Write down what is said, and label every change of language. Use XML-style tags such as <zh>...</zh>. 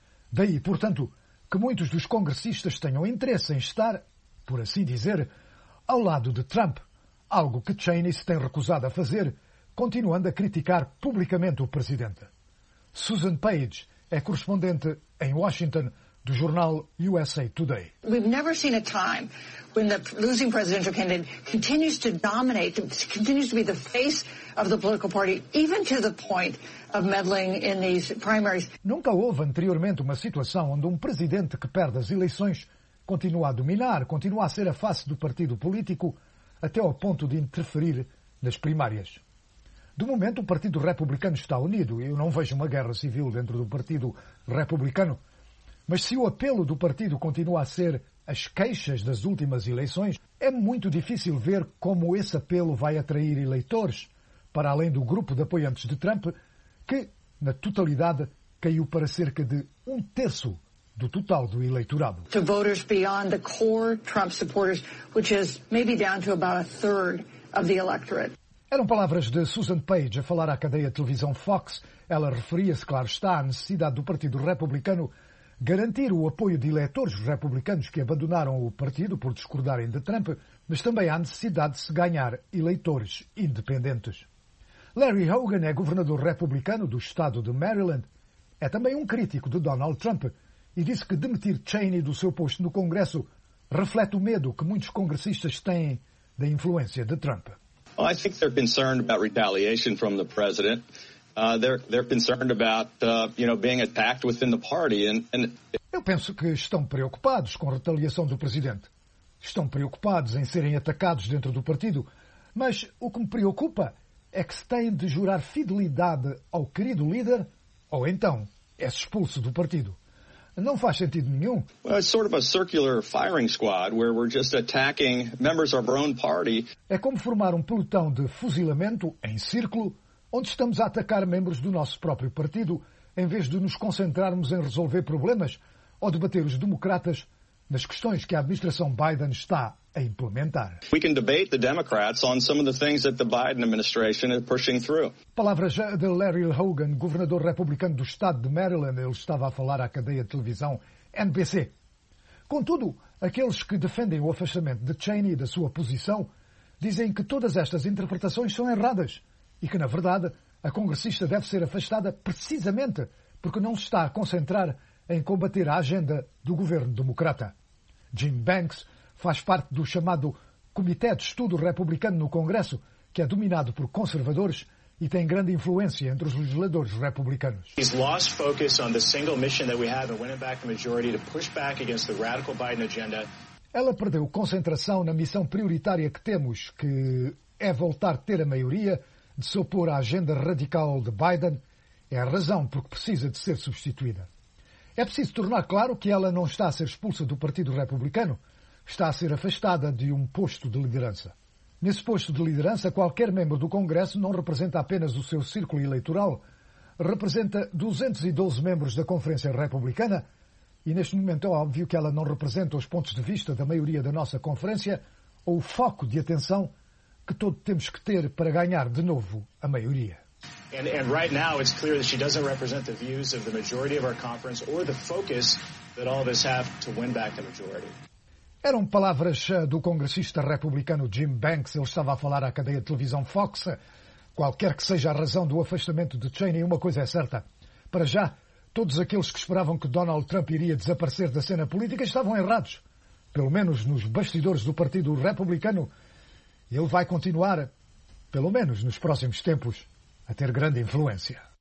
<pt>Daí, portanto, que muitos dos congressistas tenham interesse em estar, por assim dizer, ao lado de Trump, algo que Cheney se tem recusado a fazer, continuando a criticar publicamente o presidente. Susan Page é correspondente em Washington do jornal USA Today.</pt> <en>We've never seen a time when the losing presidential candidate continues to dominate, continues to be the face of the political party, even to the point of meddling in these primaries.</en> <pt>Nunca houve anteriormente uma situação onde um presidente que perde as eleições continua a dominar, continua a ser a face do partido político até ao ponto de interferir nas primárias. De momento, o Partido Republicano está unido. Eu não vejo uma guerra civil dentro do Partido Republicano. Mas se o apelo do partido continua a ser as queixas das últimas eleições, é muito difícil ver como esse apelo vai atrair eleitores, para além do grupo de apoiantes de Trump, que, na totalidade, caiu para cerca de um terço do total do eleitorado.</pt> <en>To voters beyond the core Trump supporters, which is maybe down to about a third of the electorate.</en> <pt>Eram palavras de Susan Page a falar à cadeia de televisão Fox. Ela referia-se, claro está, à necessidade do Partido Republicano garantir o apoio de eleitores republicanos que abandonaram o partido por discordarem de Trump, mas também à necessidade de se ganhar eleitores independentes. Larry Hogan é governador republicano do estado de Maryland. É também um crítico de Donald Trump e disse que demitir Cheney do seu posto no Congresso reflete o medo que muitos congressistas têm da influência de Trump.</pt> <en>Well, I think they're concerned about retaliation from the president. They're concerned about, you know, being attacked within the party. And</en> <pt>eu penso que estão preocupados com a retaliação do presidente. Estão preocupados em serem atacados dentro do partido. Mas o que me preocupa é que se têm de jurar fidelidade ao querido líder ou então é expulso do partido. Não faz sentido nenhum.</pt> <en>Well, it's sort of a circular firing squad where we're just attacking members of our own party.</en> <pt>É como formar um pelotão de fuzilamento em círculo, onde estamos a atacar membros do nosso próprio partido, em vez de nos concentrarmos em resolver problemas ou debater os democratas nas questões que a administração Biden está a implementar.</pt> <en>We can debate the Democrats on some of the things that the Biden administration is pushing through.</en> <pt>Palavras de Larry Hogan, governador republicano do estado de Maryland, ele estava a falar à cadeia de televisão NBC. Contudo, aqueles que defendem o afastamento de Cheney e da sua posição dizem que todas estas interpretações são erradas e que, na verdade, a congressista deve ser afastada precisamente porque não se está a concentrar em combater a agenda do governo democrata. Jim Banks faz parte do chamado Comitê de Estudo Republicano no Congresso, que é dominado por conservadores e tem grande influência entre os legisladores republicanos.</pt> <en>He's lost focus on the single mission that we have in winning back the majority to push back against the radical Biden agenda.</en> <pt>Ela perdeu concentração na missão prioritária que temos, que é voltar a ter a maioria, de se opor à agenda radical de Biden. É a razão porque precisa de ser substituída. É preciso tornar claro que ela não está a ser expulsa do Partido Republicano, está a ser afastada de um posto de liderança. Nesse posto de liderança, qualquer membro do Congresso não representa apenas o seu círculo eleitoral, representa 212 membros da Conferência Republicana, e neste momento é óbvio que ela não representa os pontos de vista da maioria da nossa Conferência ou o foco de atenção que todos temos que ter para ganhar de novo a maioria.</pt> <en>And right now it's clear that she doesn't represent the views of the majority of our conference or the focus that all of us have to win back the majority.</en> <pt>Eram palavras do congressista republicano Jim Banks. Ele estava a falar à cadeia de televisão Fox. Qualquer que seja a razão do afastamento de Cheney, uma coisa é certa. Para já, todos aqueles que esperavam que Donald Trump iria desaparecer da cena política estavam errados. Pelo menos nos bastidores do Partido Republicano, ele vai continuar, pelo menos nos próximos tempos, a ter grande influência.</pt>